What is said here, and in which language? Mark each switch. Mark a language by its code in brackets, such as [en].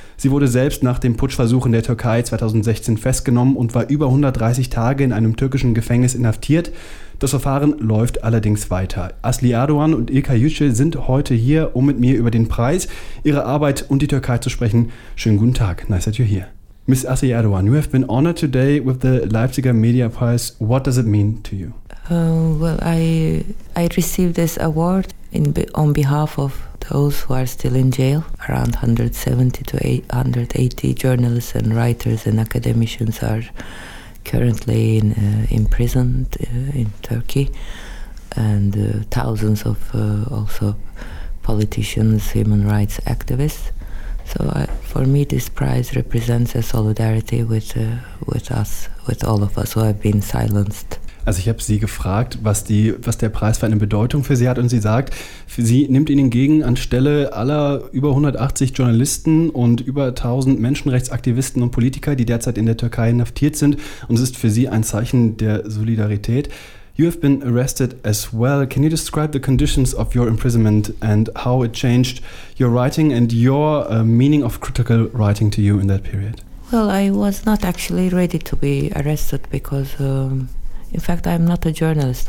[de] Sie wurde selbst nach dem Putschversuch in der Türkei 2016 festgenommen und war über 130 Tage in einem türkischen Gefängnis inhaftiert. Das Verfahren läuft allerdings weiter. Asli Erdogan und Ilkay Yücel sind heute hier, um mit mir über den Preis, ihre Arbeit und die Türkei zu sprechen. Schönen guten Tag. [en] Nice that you're here. Ms. Asli Erdogan, you have been honored today with the Leipziger Media Prize. What does it mean to you? I received this award on behalf of those who are still in jail. Around 170 to 180 journalists and writers and academicians are currently imprisoned in Turkey, and thousands of also politicians, human rights activists. So for me, this prize represents a solidarity with all of us who have been silenced. [de] Also ich habe Sie gefragt, was der Preis für eine Bedeutung für Sie hat, und Sie sagt, Sie nimmt ihn entgegen anstelle aller über 180 Journalisten und über 1000 Menschenrechtsaktivisten und Politiker, die derzeit in der Türkei inhaftiert sind, und es ist für Sie ein Zeichen der Solidarität. [en] You have been arrested as well. Can you describe the conditions of your imprisonment and how it changed your writing and your meaning of critical writing to you in that period? Well, I was not actually ready to be arrested because, in fact, I'm not a journalist.